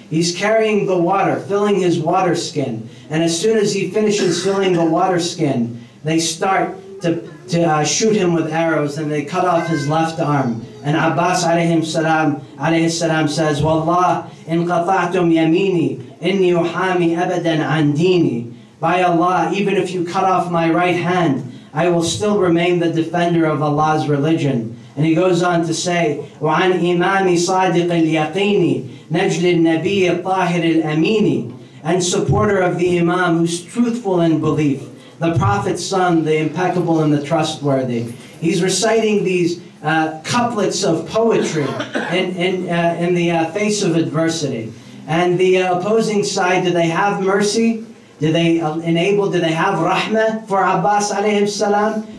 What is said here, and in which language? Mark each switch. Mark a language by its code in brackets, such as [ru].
[en] He's carrying the water, filling his water skin. And as soon as he finishes filling the water skin, they start to shoot him with arrows, and they cut off his left arm. And Abbas alayhi salam says, [ar] "Wallah, in qata'tum yamini, inni uhami abadan an dini." [en] By Allah, even if you cut off my right hand, I will still remain the defender of Allah's religion. And he goes on to say, [ar] وَعَنْ إِمَامِ صَادِقِ الْيَقِينِ نَجْلِ النَّبِيِّ الطَّاهِرِ الْأَمِينِ. [en] And supporter of the Imam who's truthful in belief, the Prophet's son, the impeccable and the trustworthy. He's reciting these couplets of poetry in the face of adversity. And the opposing side, do they have mercy? Do they enable, do they have rahmah for Abbas alayhim salam?